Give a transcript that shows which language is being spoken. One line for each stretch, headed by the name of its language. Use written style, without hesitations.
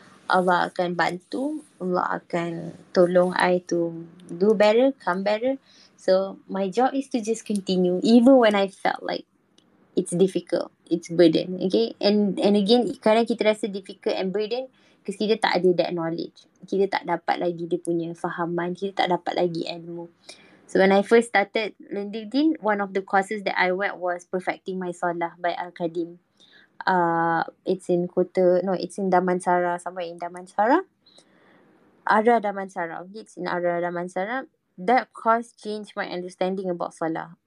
Malay: Allah akan bantu. Allah akan tolong I
English: to do better, come better. So my job is to just continue, even when I felt like it's difficult, it's burden. Okay, and again,
Malay: kadang kita rasa
English: difficult and burden, Because
Malay: kita tak ada
English: that knowledge.
Malay: Kita tak dapat lagi dia punya fahaman. Kita tak dapat lagi ilmu.
English: So when I first started learning din, one of the courses that I went was Perfecting My Solah by Al-Kadim. It's in Kota, no, it's in Damansara, somewhere in Damansara. Ara Damansara, it's in Ara Damansara. That course changed my understanding about solah.